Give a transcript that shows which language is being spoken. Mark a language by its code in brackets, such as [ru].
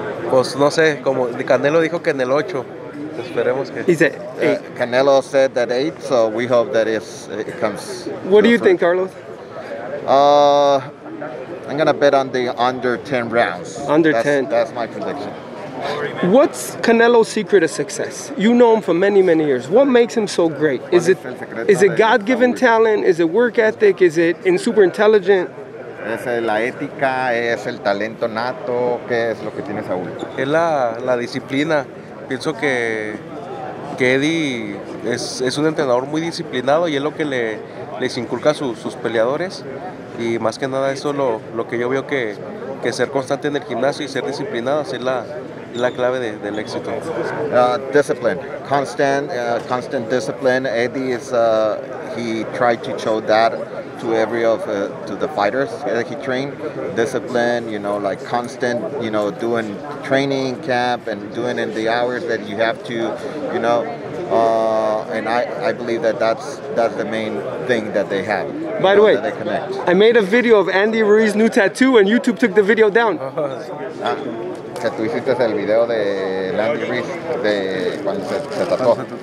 [es] Pues no sé, como Canelo dijo que en el 8. Esperemos que... [en] He said 8. Canelo said that 8, so we hope that it comes. What do you think, Carlos? I'm going to bet on the under 10 rounds. Under that's, 10. That's my prediction. What's Canelo's secret of success? You know him for many, many years. What makes him so great? Is it God-given talent? Is it work ethic? Is it in super intelligent? [es] Es la ética, es el talento nato, ¿qué es lo que tiene Saúl? Es la disciplina. Pienso que Eddie es un entrenador muy disciplinado y es lo que les inculca a sus peleadores. Y más que nada eso es lo que yo veo que ser constante en el gimnasio y ser disciplinado es la clave del éxito. [en] Discipline, constant discipline. Eddie is he tried to show that to every of to the fighters that he trained. Discipline, you know, like constant, you know, doing training camp and doing in the hours that you have to, you know. And I believe that's the main thing that they have. By the way, they connect. I made a video of Andy Ruiz's new tattoo, and YouTube took the video down. [es] ¿Tú hiciste el video de Andy Ruiz de cuando se tatuó?